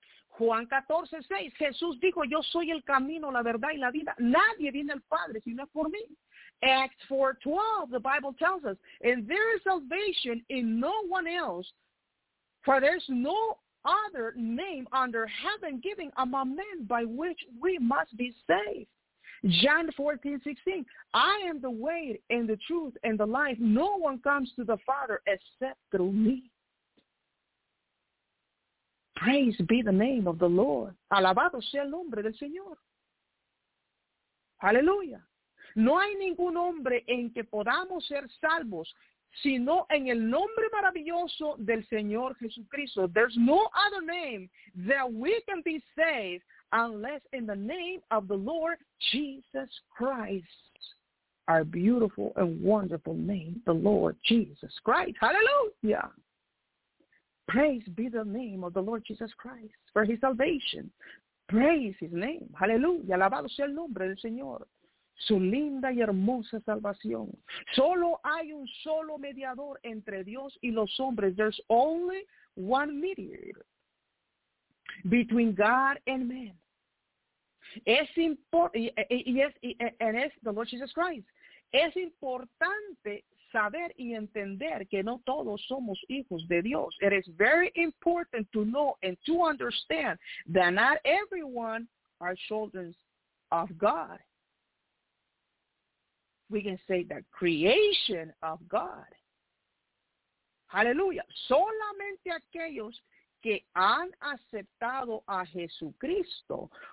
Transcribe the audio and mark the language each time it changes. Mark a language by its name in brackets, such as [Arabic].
[Spanish] Juan 14:6, Jesús dijo, yo soy el camino, la verdad y la vida. Nadie viene al Padre si no es por mí. [English] Acts 4:12, the Bible tells us, and there is salvation in no one else, for there's no other name under heaven given among men by which we must be saved. John 14:16, I am the way and the truth and the life. No one comes to the Father except through me. Praise be the name of the Lord. [Spanish] Alabado sea el nombre del Señor. Aleluya. No hay ningún hombre en que podamos ser salvos, sino en el nombre maravilloso del Señor Jesucristo. [English] There's no other name that we can be saved unless in the name of the Lord Jesus Christ. Our beautiful and wonderful name, the Lord Jesus Christ. Hallelujah. Praise be the name of the Lord Jesus Christ for his salvation. Praise his name. Hallelujah. [Spanish] Alabado sea el nombre del Señor. Su linda y hermosa salvación. Solo hay un solo mediador entre Dios y los hombres. [English] There's only one mediator between God and man. [Spanish] Es importante, [English] yes, and es the Lord Jesus Christ. [Spanish] Es importante saber y entender que no todos somos hijos de Dios. [English] It is very important to know and to understand that not everyone are children of God. We can say the creation of God. Hallelujah. [Spanish] Solamente aquellos que han aceptado a Jesucristo.